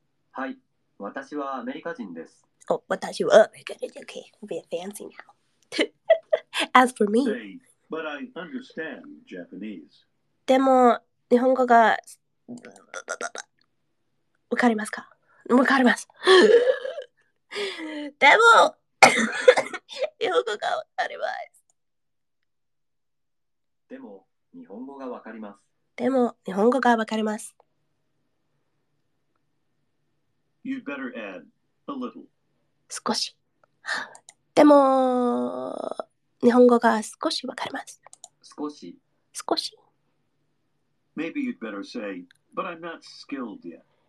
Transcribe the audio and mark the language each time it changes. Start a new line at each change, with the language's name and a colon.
Japanese: はい、私はアメリカ人です。お、私はアメリカ人です。
English: Okay, we're fancy now. As for me, say, but I understand Japanese.
Japanese: でも日本語がわかりますか？わかります。でも日本語がわかります。でも日本語がわかります。でも日本語がわかります。
English: You'd better add a little.
Japanese: 少し。でも日本語が少しわかります。少し少し。
English: Maybe you'd better say, but I'm not skilled yet.